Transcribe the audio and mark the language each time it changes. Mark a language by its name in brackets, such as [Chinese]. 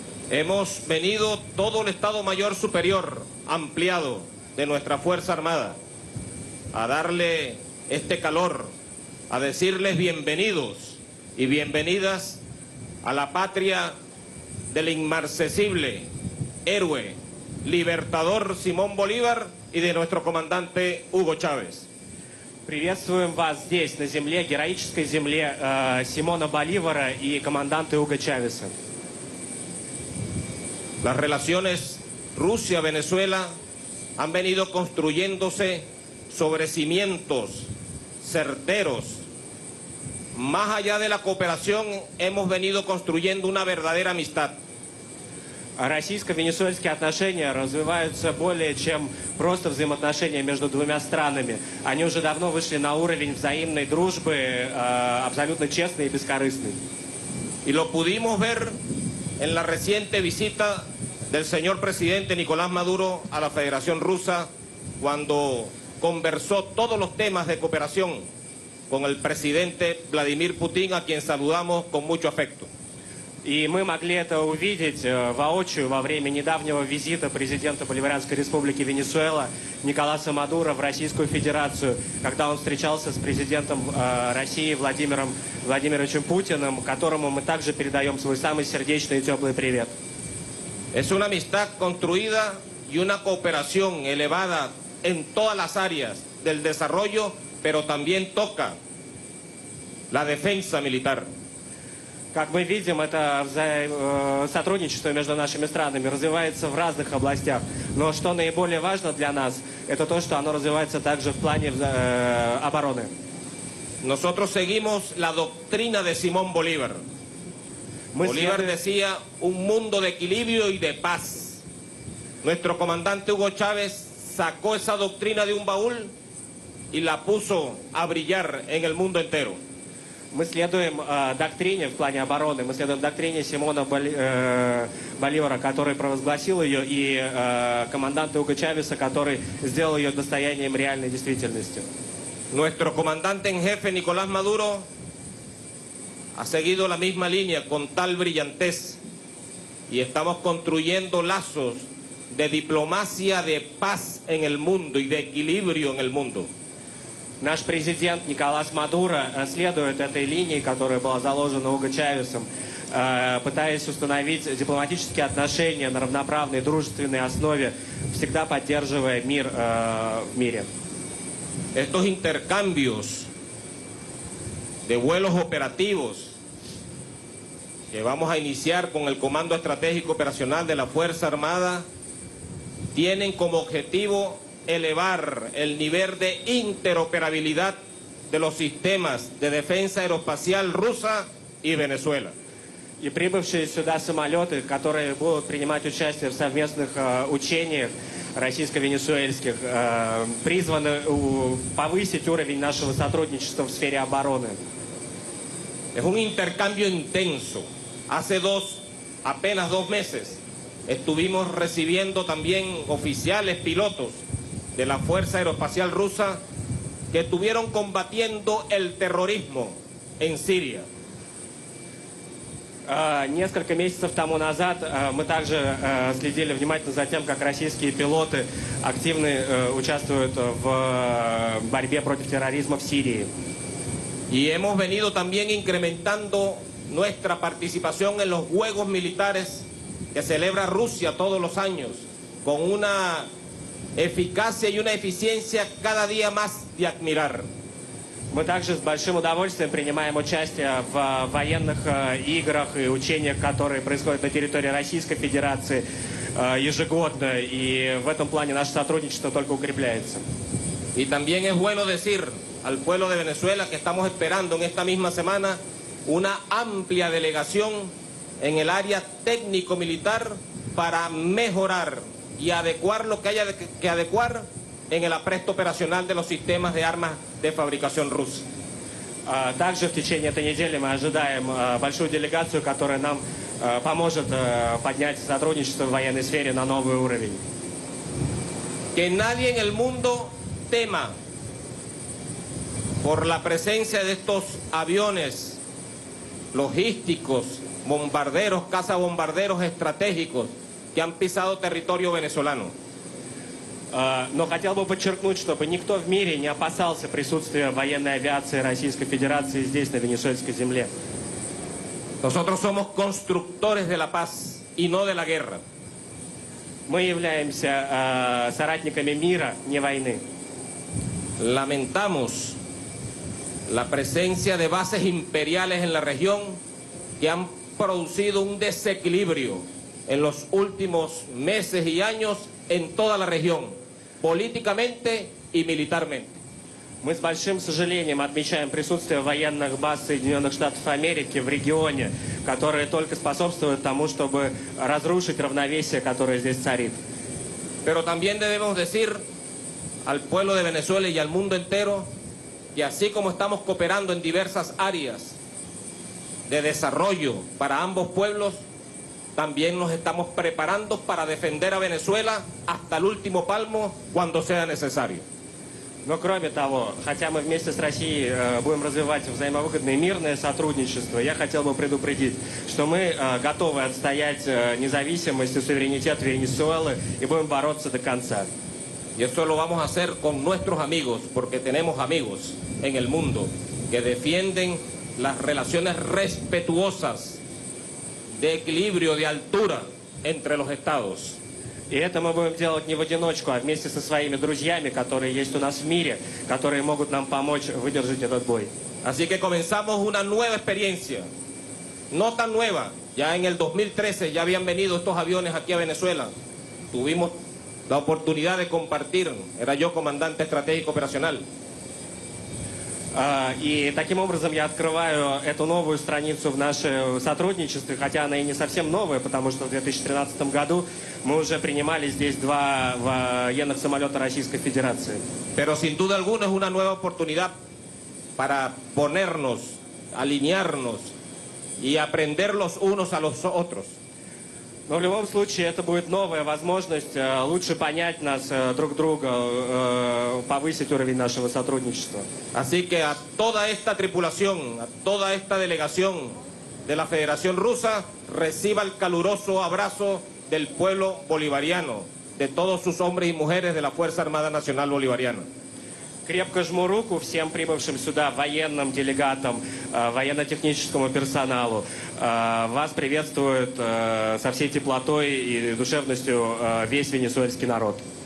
[Spanish] Hemos venido todo el Estado Mayor Superior ampliado de nuestra Fuerza Armada a darle este calor, a decirles bienvenidos y bienvenidas a la patria del inmarcesible héroe, libertador Simón Bolívar y de nuestro comandante Hugo Chávez. [Russian] Приветствуем вас здесь, на земле, героической земле Симона Боливара и команданта Уго Чавеса. [Spanish] Las relaciones Rusia-Venezuela han venido construyéndose sobre cimientos certeros. Más allá de la cooperación, hemos venido construyendo una verdadera amistad. [Russian] Российско-венесуэльские отношения развиваются более чем просто взаимоотношения между двумя странами. Они уже давно вышли на уровень взаимной дружбы, абсолютно честной и бескорыстной. [Spanish] Y lo pudimos ver en la reciente visita del señor presidente Nicolás Maduro a la Federación Rusa, cuando conversó todos los temas de cooperación con el presidente Vladimir Putin, a quien saludamos con mucho afecto. [Russian] Y мы могли это увидеть воочию во время недавнего визита президента Боливарианской Республики Венесуэла Николаса Мадуро в Российскую Федерацию, когда он встречался с президентом России Владимиром Владимировичем Путиным, которому мы также передаем свой самый сердечный и теплый привет. [Spanish] Es una amistad construida y una cooperación elevada en todas las áreas del desarrollo, pero también toca la defensa militar. [Russian] Как мы видим, это сотрудничество между нашими странами развивается в разных областях. Но что наиболее важно для нас, это то, что оно развивается также в плане обороны. [Spanish] Nosotros seguimos la doctrina de Simón Bolívar. Bolívar decía un mundo de equilibrio y de paz. Nuestro comandante Hugo Chávez sacó esa doctrina de un baúl y la puso a brillar en el mundo entero. [Russian] Мы следуем доктрине в плане обороны, мы следуем доктрине Симона Боливара, который провозгласил ее, и команданта Уго Чавеса, который сделал ее достоянием реальной действительности. [Spanish] Nuestro comandante en jefe Nicolás Maduro ha seguido la misma línea con tal brillantez y estamos construyendo lazos de diplomacia, de paz en el mundo y de equilibrio en el mundo. [Russian] Наш президент Николас Мадуро следует этой линии, которая была заложена Уго Чавесом, пытаясь установить дипломатические отношения на равноправной, дружественной основе, всегда поддерживая мир в мире. [Spanish] Estos intercambios de vuelos operativos que vamos a iniciar con el Comando Estratégico Operacional de la Fuerza Armada tienen como objetivo elevar el nivel de interoperabilidad de los sistemas de defensa aeroespacial rusa y Venezuela. [Russian] И прибывшие сюда самолеты, которые будут принимать участие в совместных учениях российско-венесуэльских, призваны повысить уровень нашего сотрудничества в сфере обороны. [Spanish] Es un intercambio intenso. Hace apenas dos meses estuvimos recibiendo también oficiales, pilotos de la Fuerza Aeroespacial Rusa que estuvieron combatiendo el terrorismo en Siria. [Russian] Несколько месяцев тому назад мы также следили внимательно за тем, как российские пилоты активно участвуют в борьбе против терроризма в Сирии. [Spanish] Y hemos venido también incrementando nuestra participación en los Juegos Militares que celebra Rusia todos los años con una eficacia y una eficiencia cada día más de admirar. [Russian] Мы также с большим удовольствием принимаем участие в военных играх и учениях, которые происходят на территории Российской Федерации ежегодно, и в этом плане наше сотрудничество только укрепляется. [Spanish] Y también es bueno decir al pueblo de Venezuela que estamos esperando en esta misma semana una amplia delegación en el área técnico-militar para mejorar y adecuar lo que haya que adecuar en el apresto operacional de los sistemas de armas de fabricación rusa. [Russian] Также в течение этой недели мы ожидаем большую делегацию, которая нам поможет поднять сотрудничество в военной сфере на новый уровень. [Spanish] Que nadie en el mundo tema por la presencia de estos aviones logísticos, bombarderos, cazabombarderos estratégicos que han pisado territorio venezolano. [Russian] Но хотел бы подчеркнуть, чтобы никто в мире не опасался присутствия военной авиации Российской Федерации здесь, на венесуэльской земле. [Spanish] Nosotros somos constructores de la paz y no de la guerra. [Russian] Мы являемся соратниками мира, не войны. [Spanish] Lamentamos la presencia de bases imperiales en la región que han producido un desequilibrio en los últimos meses y años en toda la región. Políticamente y militarmente. [Russian] Мы с большим сожалением отмечаем присутствие военных баз Соединенных Штатов Америки в регионе, которые только способствуют тому, чтобы разрушить равновесие, которое здесь царит. [Spanish] Pero también debemos decir al pueblo de Venezuela y al mundo entero que así como estamos cooperando en diversas áreas de desarrollo para ambos pueblos, también nos estamos preparando para defender a Venezuela hasta el último palmo cuando sea necesario. [Russian] Но кроме того, хотя мы вместе с Россией будем развивать взаимовыгодное мирное сотрудничество, я хотел бы предупредить, что мы готовы отстоять независимость и суверенитет Венесуэлы и будем бороться до конца. [Spanish] Y eso lo vamos a hacer con nuestros amigos, porque tenemos amigos en el mundo que defienden las relaciones respetuosas de equilibrio, de altura entre los estados. [Russian] И это мы будем делать не в одиночку, а вместе со своими друзьями, которые есть у нас в мире, которые могут нам помочь выдержать этот бой. [Spanish] Así que comenzamos una nueva experiencia. No tan nueva. Ya en el 2013 ya habían venido estos aviones aquí a Venezuela. Tuvimos la oportunidad de compartir. Era yo comandante estratégico operacional. [Russian] И таким образом я открываю эту новую страницу в нашем сотрудничестве, хотя она и не совсем новая, потому что в 2013 году мы уже принимали здесь два военных самолета Российской Федерации. [Spanish] Pero sin duda alguna es una nueva oportunidad para ponernos, alinearnos y aprender los unos a los otros. [Russian] Но в любом случае это будет новая возможность лучше понять нас друг друга, повысить уровень нашего сотрудничества. [Spanish] Así que a toda esta tripulación, a toda esta delegación de la Federación Rusa, reciba el caluroso abrazo del pueblo bolivariano, de todos sus hombres y mujeres de la Fuerza Armada Nacional Bolivariana. [Russian] Крепко жму руку всем прибывшим сюда военным делегатам, военно-техническому персоналу. Вас приветствует со всей теплотой и душевностью весь венесуэльский народ.